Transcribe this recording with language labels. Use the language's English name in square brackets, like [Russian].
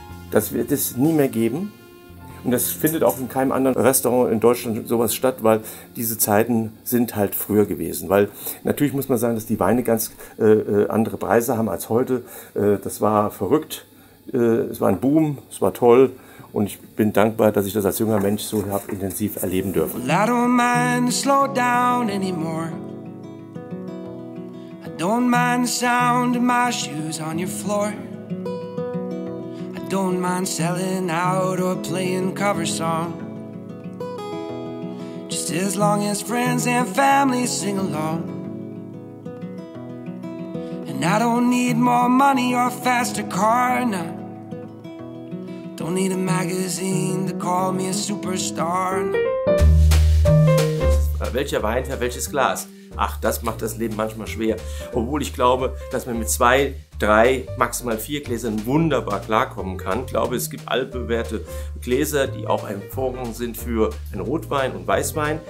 [German] Das wird es nie mehr geben. Und das findet auch in keinem anderen Restaurant in Deutschland sowas statt, weil diese Zeiten sind halt früher gewesen. Weil natürlich muss man sagen, dass die Weine ganz andere Preise haben als heute. Das war verrückt. Es war ein Boom. Es war toll. Und ich bin dankbar, dass ich das als junger Mensch so hab intensiv erleben dürfen. [English] Well, I don't mind the slow down anymore. I don't mind the sound of my shoes on your floor. I don't mind selling out or playing cover song. Just as long as friends and family sing along. And I don't need more money or faster car, nah. Don't need a magazine to call me a superstar. [German] Welcher Wein, für welches Glas? Ach, das macht das Leben manchmal schwer. Obwohl ich glaube, dass man mit 2, 3, maximal 4 Gläsern wunderbar klarkommen kann. Ich glaube, es gibt altbewährte Gläser, die auch ein Vorrang sind für einen Rotwein und Weißwein.